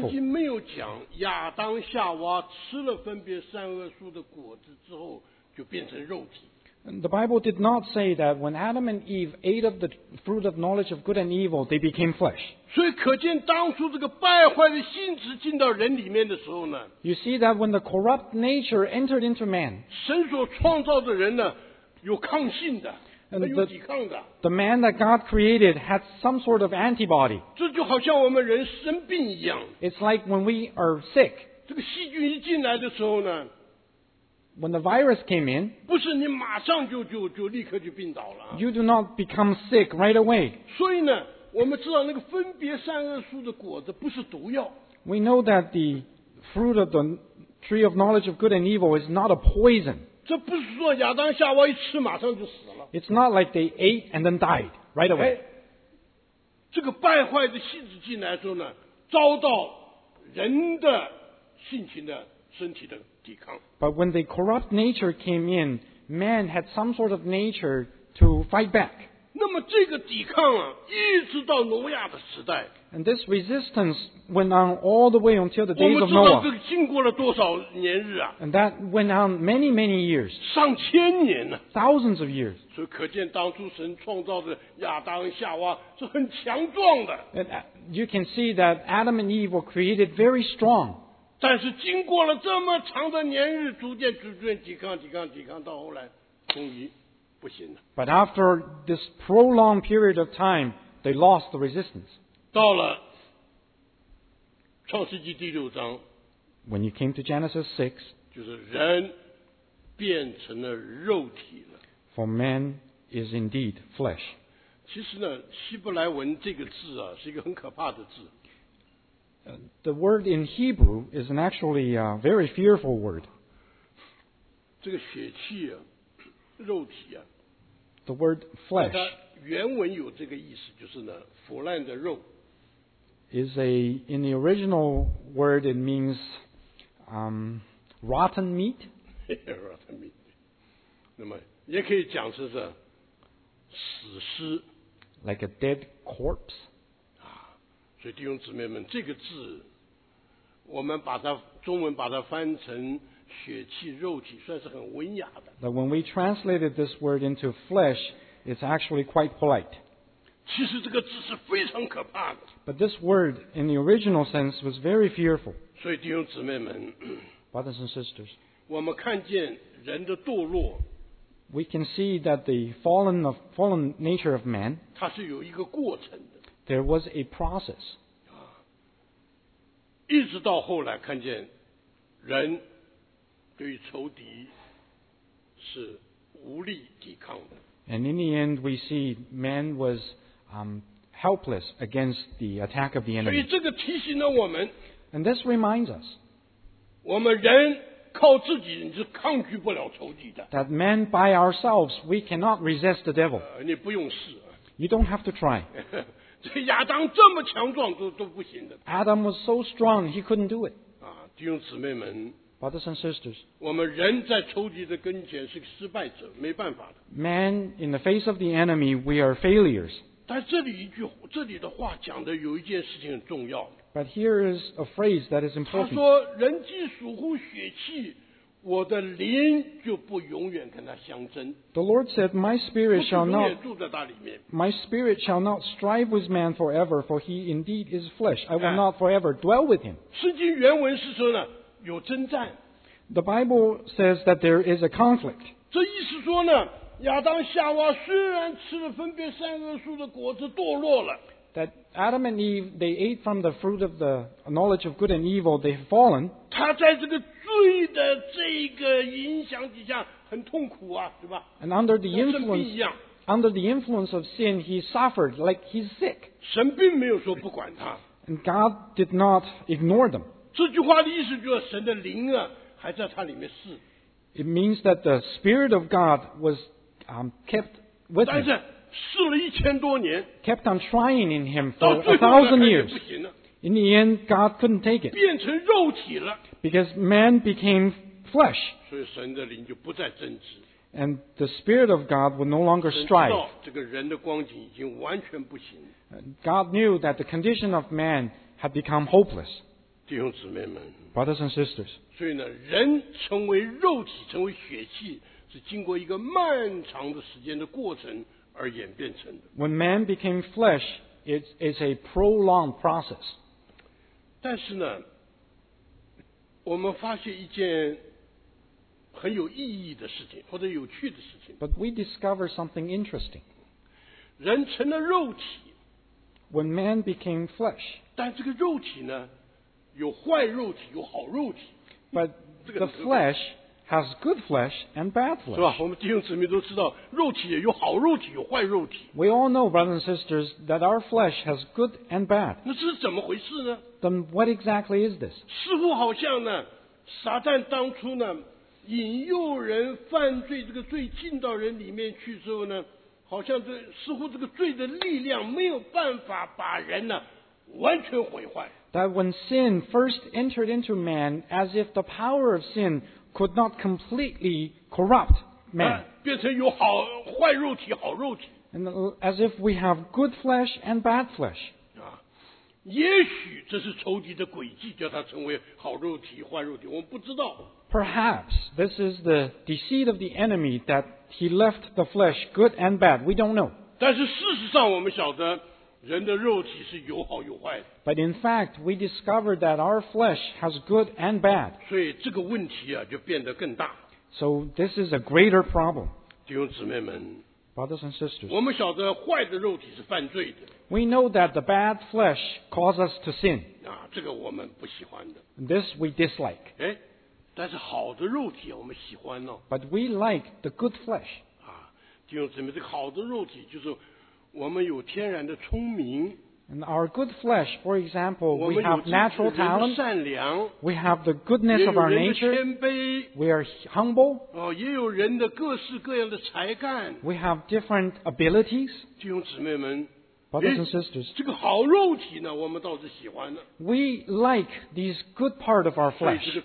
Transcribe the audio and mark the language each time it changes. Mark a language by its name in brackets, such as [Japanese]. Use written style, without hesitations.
[Chinese] 圣经没有讲亚当夏娃吃了分别善恶树的果子之后就变成肉体。 [English] The Bible did not say that when Adam and Eve ate of the fruit of knowledge of good and evil, they became flesh. [Chinese] 所以可见当初这个败坏的性质进到人里面的时候呢。 [English] You see that when the corrupt nature entered into man, [Chinese] 神所创造的人呢，有抗性的。 [English] And the man that God created had some sort of antibody. [Chinese] 这就好像我们人生病一样。 [English] It's like when we are sick. [Chinese] 这个细菌一进来的时候呢， [English] when the virus came in, [Chinese] 不是你马上就立刻就病倒了。 [English] You do not become sick right away. [Chinese] 所以呢，我们知道那个分别善恶树的果子不是毒药。 [English] We know that the fruit of the tree of knowledge of good and evil is not a poison. [Chinese] 这不是说亚当夏娃一吃马上就死了。 [English] It's not like they ate and then died right away. [Chinese] 这个败坏的性质进来的时候呢，遭到人的性情的身体的抵抗。 [English] But when the corrupt nature came in, man had some sort of nature to fight back. [Chinese] 那么这个抵抗啊，一直到挪亚的时代。 [English] And this resistance went on all the way until the days of Noah. [Chinese] 我们知道这个经过了多少年日啊。 [English] And that went on many, many years. [Chinese] 上千年呢。 [English] Thousands of years. [Chinese] 所以可见当初神创造的亚当夏娃是很强壮的。 [English] And you can see that Adam and Eve were created very strong. [Chinese] 但是经过了这么长的年日，逐渐抵抗，到后来终于不行了。 [English] But after this prolonged period of time, they lost the resistance. [Chinese] 到了创世纪第六章 [English] When you came to Genesis 6, [Chinese] 就是人变成了肉体了 [English] For man is indeed flesh. [Chinese] 其实呢，希伯来文这个字啊，是一个很可怕的字。 [English] The word in Hebrew is an actually a very fearful word. [Chinese] 这个血气啊，肉体啊。 [English] The word flesh. [Chinese] 原文有这个意思，就是呢，腐烂的肉。 [English] Is a in the original word it means, rotten meat. rotten meat. [Chinese] 那么也可以讲是这死尸。 [English] Like a dead corpse. [Chinese] 所以弟兄姊妹们，这个字，我们把它中文把它翻成血气、肉体，算是很文雅的。 [English] But when we translated this word into flesh, it's actually quite polite. [Chinese] 其实这个字是非常可怕的。 [English] But this word, in the original sense, was very fearful. [Chinese] 所以弟兄姊妹们 [English] ，brothers and sisters, [Chinese] 我们看见人的堕落 [English] ，we can see that the fallen nature of man, [Chinese] 它是有一个过程的。 [English] There was a process. [Chinese] 一直到后来看见人对仇敌是无力抵抗的。 [English] And in the end, we see man was helpless against the attack of the enemy. [Chinese] 所以这个提醒了我们。 [English] And this reminds us. [Chinese] 我们人靠自己你是抗拒不了仇敌的。 [English] That man by ourselves, we cannot resist the devil. [Chinese] 你不用试。 [English] You don't have to try. [Chinese] 亚当这么强壮 都不行的。 [English] Adam was so strong, he couldn't do it. [Chinese] 啊，弟兄姊妹们 [English] ，brothers and sisters， [Chinese] 我们人在仇敌的跟前是个失败者，没办法的。 [English] Man in the face of the enemy, we are failures. [Chinese] 但这里一句这里的话讲的有一件事情很重要。 [English] But here is a phrase that is important. [Chinese] 他说：“人既属乎血气，我的灵就不永远跟他相争。” [English] The Lord said, My spirit shall not strive with man forever, for he indeed is flesh. I will not forever dwell with him. [Chinese] 圣经原文是说呢，有征战。 [English] The Bible says that there is a conflict. [Chinese] 这意思说呢，亚当夏娃虽然吃了分别善恶树的果子堕落了。 [English] That Adam and Eve, they ate from the fruit of the knowledge of good and evil, they have fallen. [Chinese] 他在这个罪的这个影响底下很痛苦啊，对吧 [English] ？And under the influence, under the influence of sin, he suffered like he's sick. [Chinese] 神并没有说不管他。 [English] And God did not ignore them. [Chinese] 这句话的意思就是神的灵啊还在他里面试。 [English] It means that the spirit of God was kept with him. [Chinese] 但是试了一千多年。 [English] Kept on trying in him for 1,000 years. In the end, God couldn't take it. [Chinese] 变成肉体了。 [English] Because man became flesh. [Chinese] 所以神的灵就不再争执。 [English] And the Spirit of God would no longer strive. [Chinese] 神知道这个人的光景已经完全不行。 [English] God knew that the condition of man had become hopeless. [Chinese] 弟兄姊妹们。 [English] Brothers and sisters. [Chinese] 所以呢，人成为肉体，成为血气，是经过一个漫长的时间的过程而演变成的。 [English] When man became flesh, it's a prolonged process. [Chinese] 但是呢，我们发现一件很有意义的事情，或者有趣的事情。 [English] But we discover something interesting. [Chinese] 人成了肉体。 [English] When man became flesh. [Chinese] 但这个肉体呢，有坏肉体，有好肉体。 [English] But the flesh has good flesh and bad flesh. [Chinese] 是吧？我们弟兄姊妹都知道，肉体也有好肉体，有坏肉体。 [English] We all know, brothers and sisters, that our flesh has good and bad. [Chinese] 那是怎么回事呢？ [English] Then what exactly is this? [Chinese] 似乎好像呢，撒旦当初呢，引诱人犯罪，这个罪进到人里面去之后呢，好像这似乎这个罪的力量没有办法把人呢完全毁坏。 [English] That when sin first entered into man, as if the power of sin could not completely corrupt man. [Chinese] 变成有好坏肉体，好肉体。 [English] And as if we have good flesh and bad flesh. [Chinese] 也许这是仇敌的诡计，叫他成为好肉体、坏肉体，我们不知道。 [English] Perhaps this is the deceit of the enemy that he left the flesh good and bad. We don't know. [Chinese] 但是事实上，我们晓得人的肉体是有好有坏的。 [English] But in fact, we discovered that our flesh has good and bad. [Chinese] 所以这个问题啊，就变得更大。 [English] So this is a greater problem. [Chinese] 弟兄姊妹们， [English] Brothers and sisters, [Chinese] 我们晓得坏的肉体是犯罪的, [English] we know that the bad flesh causes us to sin. [Chinese] 啊, 这个我们不喜欢的, [English] this we dislike. [Chinese] 诶, 但是好的肉体我们喜欢哦, [English] but we like the good flesh. [Chinese] 啊, 弟兄姊妹, 这个好的肉体就是我们有天然的聪明, [English] and our good flesh, for example, we have natural talent, [Chinese] 善良, [English] we have the goodness of our nature, [Chinese] 谦卑, [English] we are humble, [Chinese] 哦, 也有人的各式各样的才干, [English] we have different abilities. [Chinese] 弟兄姊妹们, [English] brothers and sisters, [Chinese] 诶, 这个好肉体呢, 我们倒是喜欢的, [English] we like these good part of our flesh.